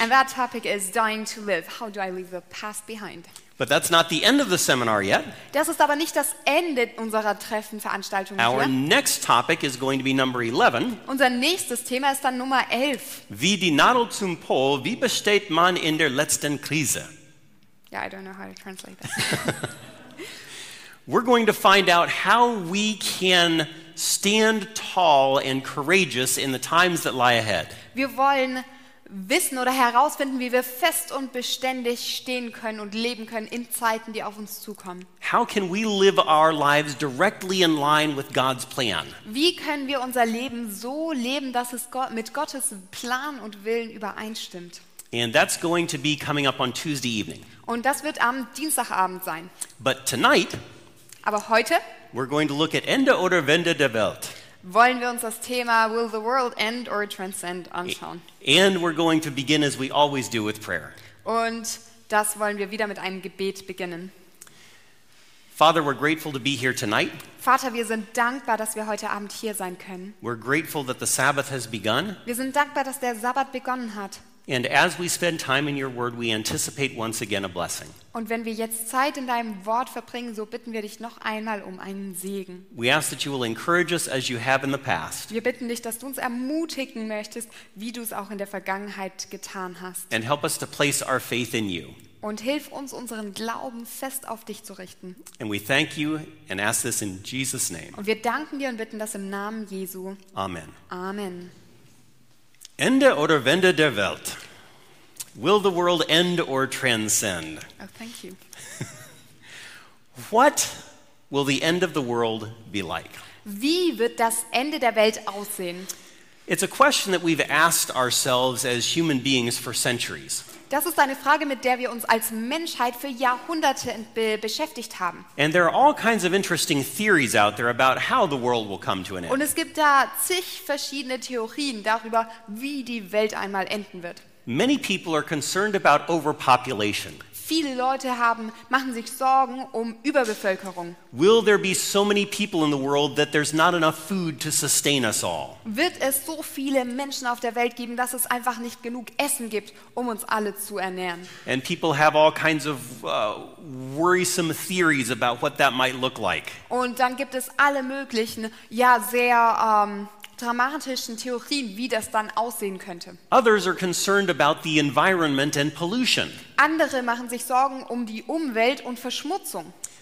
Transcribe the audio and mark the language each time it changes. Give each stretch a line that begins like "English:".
English: And that topic is dying to live. How do I leave the past behind? But that's not the end of the seminar yet.
German: Das ist aber nicht das Ende unserer Treffenveranstaltung.
English: Our
German: hier.
English: Next topic is going to be number 11.
German: Unser nächstes Thema ist dann Nummer 11. Wie die Nadel zum Pol, wie besteht man in der letzten Krise?
English: Yeah, I don't know how to translate that. We're going to find out how we can stand tall and courageous in the times that lie ahead.
German: Wir wollen wissen oder herausfinden, wie wir fest und beständig stehen können und leben können in Zeiten, die auf uns zukommen.
English: How can we live our lives directly in line with God's plan?
German: Wie können wir unser Leben so leben, dass es Gott mit Gottes Plan und Willen übereinstimmt?
English: And that's going to be coming up on Tuesday evening.
German: Und das wird am Dienstagabend sein.
English: But tonight,
German: aber heute,
English: we're going to look at
German: Ende oder Wende der Welt. Wollen wir uns das Thema
English: Will the World End or Transcend
German: anschauen?
English: And we're going to begin as we always do with prayer.
German: Und das wollen wir wieder mit einem Gebet beginnen.
English: Father, we're grateful to be here tonight.
German: Vater, wir sind dankbar, dass wir heute Abend hier sein können.
English: We're grateful that the Sabbath has begun.
German: Wir sind dankbar, dass der Sabbat begonnen hat.
English: And as we spend time in your word, we anticipate once again a blessing.
German: Und wenn wir jetzt Zeit in deinem Wort verbringen, so bitten wir dich noch einmal um einen Segen.
English: We ask that you will encourage us as you have in the past.
German: Wir bitten dich, dass du uns ermutigen möchtest, wie du es auch in der Vergangenheit getan hast.
English: And help us to place our faith in you.
German: Und hilf uns, unseren Glauben fest auf dich zu richten.
English: And we thank you and ask this in Jesus' name.
German: Und wir danken dir und bitten das im Namen Jesu.
English: Amen.
German: Amen. Ende oder Wende der Welt?
English: Will the world end or transcend? Oh, thank you. What will the end of the world be like?
German: Wie wird das Ende der Welt aussehen?
English: It's a question that we've asked ourselves as human beings for centuries.
German: Das ist eine Frage, mit der wir uns als Menschheit für Jahrhunderte beschäftigt haben.
English: And there are all kinds of interesting theories out there about how the world will come to an end.
German: Und es gibt da zig verschiedene Theorien darüber, wie die Welt einmal enden wird.
English: Many people are concerned about overpopulation.
German: Viele Leute machen sich Sorgen um Überbevölkerung.
English: Will there be so many people in the world that there's not enough food to sustain us all?
German: Wird es so viele Menschen auf der Welt geben, dass es einfach nicht genug Essen gibt, um uns alle zu ernähren?
English: And people have all kinds of worrisome theories about what that might look like.
German: Und dann gibt es alle möglichen, ja, sehr dramatischen Theorien, wie das dann aussehen könnte.
English: Others are concerned about the environment and pollution.
German: Andere machen sich Sorgen um die Umwelt und Verschmutzung.